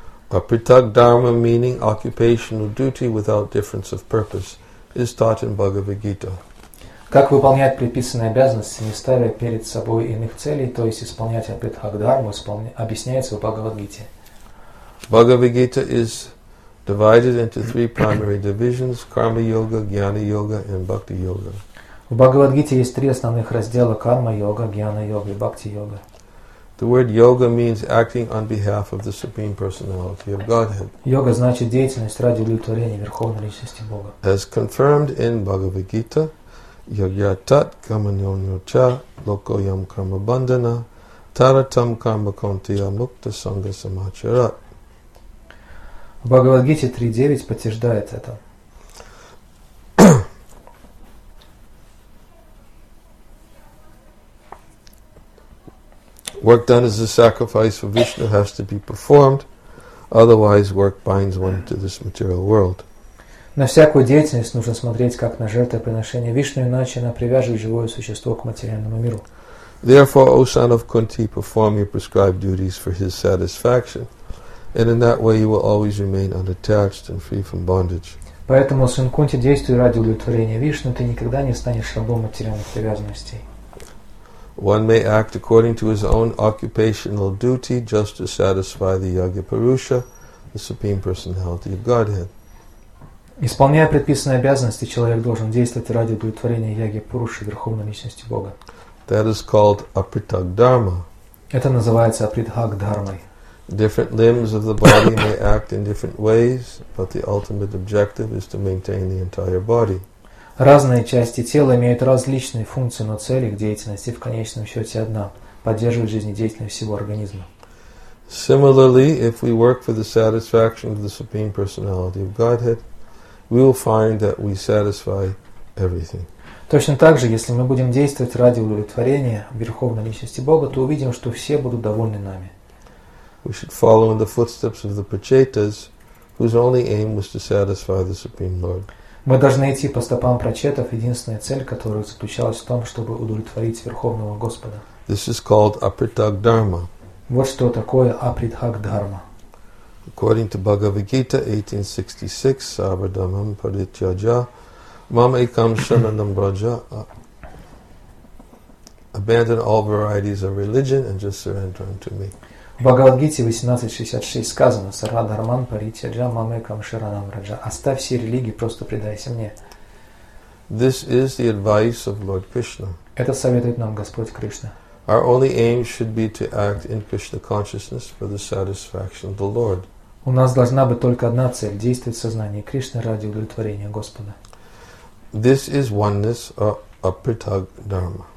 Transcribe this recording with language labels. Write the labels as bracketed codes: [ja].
[en] Апритак дхарма, meaning occupational duty without difference of purpose, is taught in Bhagavad Gita. [ru] Как выполнять предписанные обязанности, не ставя перед собой иных целей, то есть исполнять апритак дхарму, объясняется в Бхагавад-гите. [en] Bhagavad Gita is divided into three primary divisions: Karma Yoga, Jnana Yoga, and Bhakti Yoga. [ru] В Бхагавад-гите есть три основных раздела: Карма Йога, Гьяна Йога и Бхакти Йога. [en] The word yoga means acting on behalf of the Supreme Personality of Godhead. [ru] Йога значит деятельность ради удовлетворения Верховной Личности Бога. [en] As confirmed in Bhagavad-gita, [sa] yogya tat kamanyonyo cha lokoyam karma bandana taratam karma kontiya mukta sangha samacharat. [ru] В Бхагавад-гите 3.9 подтверждает это. [en] Work done as a sacrifice for Vishnu has to be performed, otherwise work binds one to this material world. [ru] На всякую деятельность нужно смотреть как на жертвоприношение Вишну, иначе она привяжет живое существо к материальному миру. [en] Therefore, O son of Kunti, perform your prescribed duties for his satisfaction, and in that way you will always remain unattached and free from bondage. [ru] Поэтому, сын Кунти, действуй ради удовлетворения Вишну, ты никогда не станешь рабом материальных привязанностей. [en] One may act according to his own occupational duty just to satisfy the Yogya Purusha, the Supreme Personality of Godhead. [ru] Исполняя предписанные обязанности, человек должен действовать ради удовлетворения Яги Пуруши, Верховной Личности Бога. [en] That is called Apritag Dharma. [ru] Это называется Апритхаг Дхармой. [en] Different limbs of the body may act in different ways, but the ultimate objective is to maintain the entire body. [ru] Разные части тела имеют различные функции, но цель их деятельности в конечном счете одна – поддерживать жизнедеятельность всего организма. [en] Similarly, if we work for the satisfaction of the Supreme Personality of Godhead, we will find that we satisfy everything. [ru] Точно так же, если мы будем действовать ради удовлетворения Верховной Личности Бога, то увидим, что все будут довольны нами. [en] We should follow in the footsteps of the Prachetas, whose only aim was to satisfy the Supreme Lord. [ru] Мы должны идти по стопам прочетов, единственная цель которой заключалась в том, чтобы удовлетворить Верховного Господа. [en] This is called Apritag Dharma. [ru] Вот что такое Апритхаг Дхарма. [en] According to Bhagavad Gita 1866, [sa] Sabadamam Paritjaja, Mama Ekam Shananam Braja, [en] abandon all varieties of religion and just surrender unto me. [ru] В Бхагавад-гите 18.66 сказано: [sa] «Сарва дхарман паритьяджа мамэкам шаранам раджа». [ru] «Оставь все религии, просто предайся мне». [en] This is the advice of Lord Krishna. [ru] Это советует нам Господь Кришна. [en] Our only aim should be to act in Krishna consciousness for the satisfaction of the Lord. [ru] У нас должна быть только одна цель – действовать в сознании Кришны ради удовлетворения Господа. [en] This is oneness or Apritag Dharma.